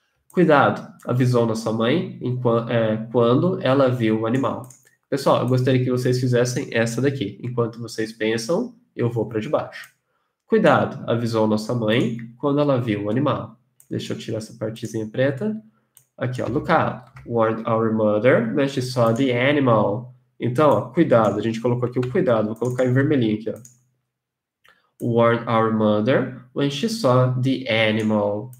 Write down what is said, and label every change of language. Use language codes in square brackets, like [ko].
[pt] Cuidado, avisou nossa mãe quando ela viu o animal. Pessoal, eu gostaria que vocês fizessem essa daqui. Enquanto vocês pensam, eu vou para debaixo. Cuidado, avisou nossa mãe quando ela viu o animal. Deixa eu tirar essa partezinha preta. Aqui, ó, look out. [en] Warned our mother when she saw the animal. [pt] Então, ó, cuidado, a gente colocou aqui o cuidado, vou colocar em vermelhinho aqui, ó. [en] Warned our mother when she saw the animal.